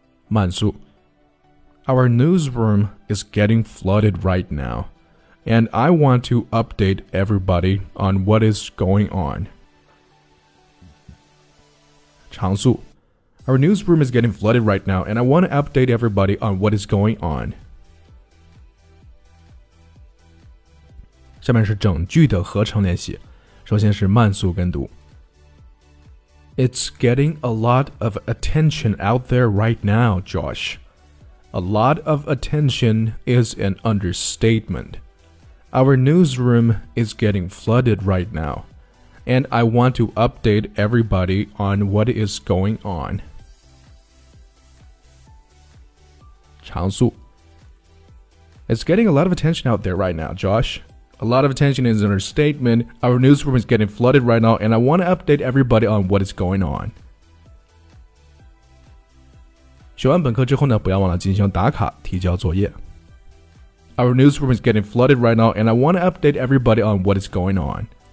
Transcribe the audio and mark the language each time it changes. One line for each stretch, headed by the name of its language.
English: 慢速 Our newsroom is getting flooded right now, and I want to update everybody on what is going on. 长速 Our newsroom is getting flooded right now, and I want to update everybody on what is going on.
Chinese: 下面是整句的合成练习，首先是慢速跟读。
English: It's getting a lot of attention out there right now, Josh. A lot of attention is an understatement. Our newsroom is getting flooded right now, and I want to update everybody on what is going on.
Chinese: 长速
English: It's getting a lot of attention out there right now, Josh. A lot of attention is an understatement. Our newsroom is getting flooded right now, and I want to update everybody on what is going on.
Chinese: 学完本课之后呢，不要忘了进行打卡提交作业。
English: Our newsroom is getting flooded right now, and I want to update everybody on what is going on.